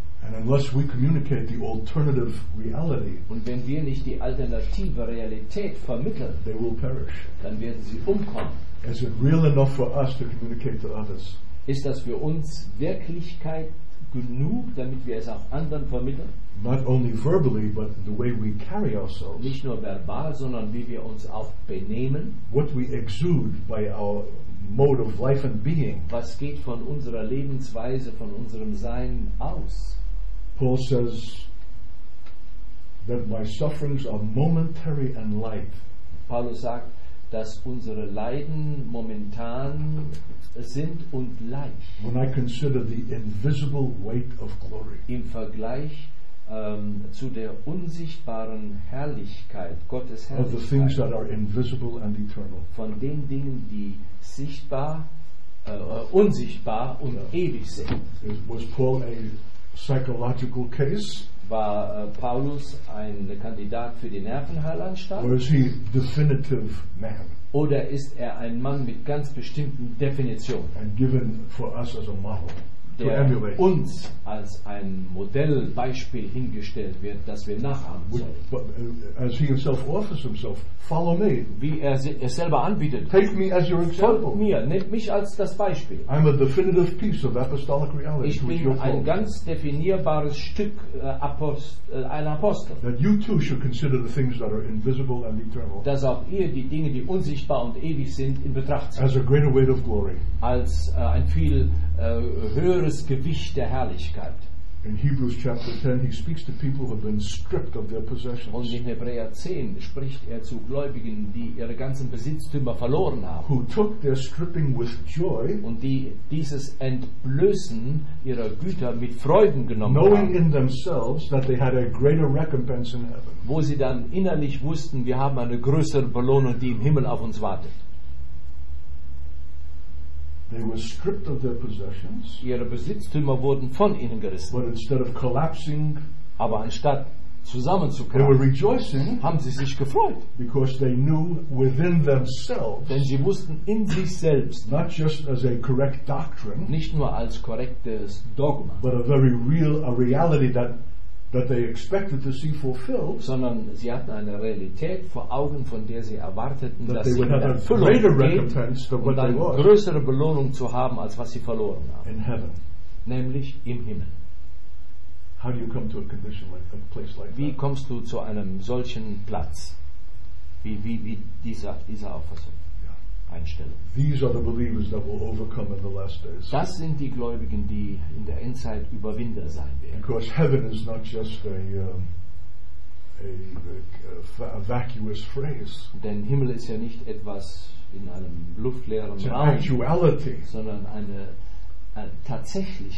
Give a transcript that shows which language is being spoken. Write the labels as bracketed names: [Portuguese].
[English] And unless we communicate the alternative reality, [German] und wenn wir nicht die alternative Realität vermitteln, [English] they will perish. [German] Dann werden sie umkommen. [English] Is it real enough for us to communicate to others? [German] Ist das für uns Wirklichkeit genug, damit wir es auch anderen vermitteln? [English] Not only verbally, but the way we carry ourselves. [German] Nicht nur verbal, sondern wie wir uns auch benehmen. [English] What we exude by our mode of life and being. [German] Was geht von unserer Lebensweise, von unserem Sein aus? [English] Paul says that my sufferings are momentary and light. [German] Paulus sagt, dass unsere Leiden momentan sind und leicht. [English] When I consider the invisible weight of glory. [German] Im Vergleich zu der unsichtbaren Herrlichkeit, Gottes Herrlichkeit, [English] of the things that are invisible and eternal. [German] Von den Dingen, die sichtbar, unsichtbar und ewig sind. [English] Was Paul a psychological case? [German] War Paulus ein Kandidat für die Nervenheilanstalt? [English] Or is he definitive man? [German] Oder ist er ein Mann mit ganz bestimmten Definitionen? [English] And given for us as a model. [German] Der uns als ein Modellbeispiel hingestellt wird, das wir nachahmen sollen. [English] As he himself offers himself, follow me. [German] Wie er es selber anbietet. [English] Take me as your example. [German] Folgt mir, nehmt mich als das Beispiel. [English] I'm a definitive piece of apostolic reality. [German] Ich bin ein ganz definierbares Stück einer Apostel. [English] That you too should consider the things that are invisible and eternal. [German] Dass auch ihr die Dinge, die unsichtbar und ewig sind, in Betracht zieht. [English] As a greater weight of glory. [German] Als ein viel höheres Gewicht der Herrlichkeit. [English] In Hebrews chapter 10 he speaks to people who have been stripped of their possessions. [German] Und in Hebräer 10 spricht er zu Gläubigen, die ihre ganzen Besitztümer verloren haben. [English] Who took their stripping with joy, [German] und die dieses Entblößen ihrer Güter mit Freuden genommen [English] knowing [German] haben. [English] In themselves that they had a greater recompense in heaven. [German] Wo sie dann innerlich wussten, wir haben eine größere Belohnung, die im Himmel auf uns wartet. [English] They were stripped of their possessions. [German] Ihre Besitztümer wurden von ihnen gerissen. [English] But instead of collapsing, [German] aber anstatt zusammenzukommen, [English] they were rejoicing, [German] haben sie sich gefreut, [English] because they knew within themselves, [German] denn sie wussten in sich selbst, [English] not just as a correct doctrine, [German] nicht nur als korrektes Dogma, [English] but a very real a reality that that they expected to see fulfilled, [German] sondern sie hatten eine Realität vor Augen, von der sie erwarteten, [English] that [German] dass [English] they [German] sie [English] would have a greater recompense than what they lost, [German] größere Belohnung zu haben als was sie verloren haben, [English] in heaven, [German] nämlich im Himmel. [English] How do you come to a condition like a place like [German] wie [English] that? [German] Wie kommst du zu einem solchen Platz? Wie dieser Auffassung? Yeah. Einstellung. [English] These are the believers that will overcome in the last days. [German] Das sind die Gläubigen, die in der Endzeit Überwinder sein werden. [English] Because heaven is not just a vacuous phrase. [German] Denn Himmel ist ja nicht etwas in einem luftleeren [English] It's [German] Raum, [English] actuality. [German] Sondern eine tatsächlich,